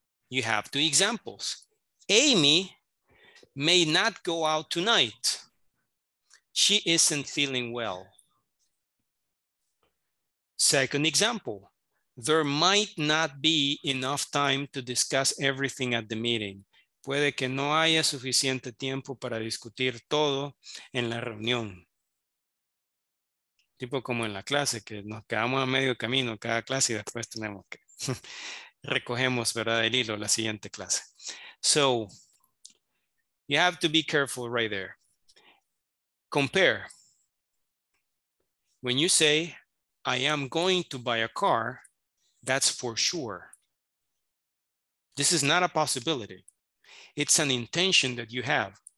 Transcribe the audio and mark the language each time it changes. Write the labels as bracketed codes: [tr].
[en] You have two examples. Amy may not go out tonight. She isn't feeling well. Second example, there might not be enough time to discuss everything at the meeting. [es] Puede que no haya suficiente tiempo para discutir todo en la reunión. Tipo como en la clase, que nos quedamos a medio camino cada clase y después tenemos que recogemos, ¿verdad?, el hilo la siguiente clase. [en] So, you have to be careful right there. Compare. When you say, I am going to buy a car, that's for sure. This is not a possibility. It's an intention that you have.